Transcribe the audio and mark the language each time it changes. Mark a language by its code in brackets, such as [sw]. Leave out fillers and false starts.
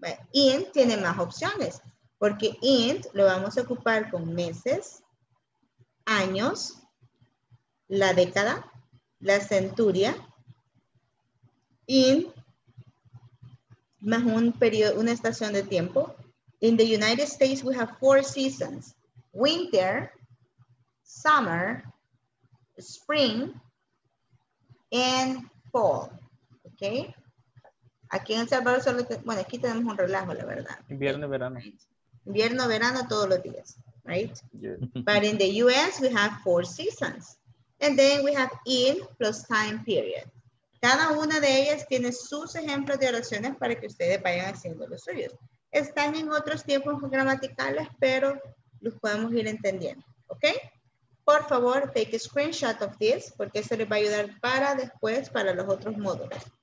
[es] Int tiene más opciones porque int lo vamos a ocupar con meses, años, la década, la centuria, in más un periodo, una estación de tiempo. [en] In the United States we have four seasons: winter, summer, spring, and fall. Okay. [es] Aquí en El Salvador solo bueno, aquí tenemos un relajo, la verdad. Invierno, verano. Invierno, verano, todos los días, [en] right? Yeah. But in the U.S., we have four seasons. And then we have in plus time period. [es] Cada una de ellas tiene sus ejemplos de oraciones para que ustedes vayan haciendo los suyos. Están en otros tiempos gramaticales, pero los podemos ir entendiendo, ¿ok? Por favor, [en] take a screenshot of this, [es] porque eso les va a ayudar para después, para los otros módulos.